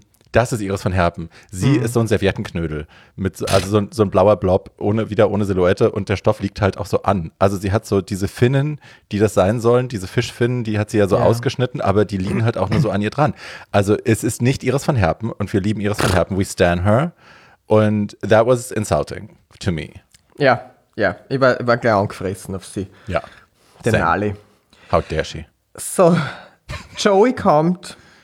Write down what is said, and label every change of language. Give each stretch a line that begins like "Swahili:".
German: Das ist Iris van Herpen. Sie ist so ein Serviettenknödel, mit so, also so ein blauer Blob, ohne Silhouette, und der Stoff liegt halt auch so an. Also sie hat so diese Finnen, die das sein sollen, diese Fischfinnen, die hat sie ja so ausgeschnitten, aber die liegen halt auch nur so an ihr dran. Also es ist nicht Iris van Herpen und wir lieben Iris van Herpen,
English: we stan her. Und that was insulting to me.
German: Ja, ja, ich war gleich angefressen auf sie. Ja. Denali.
English: How dare she?
German: So, Joey kommt.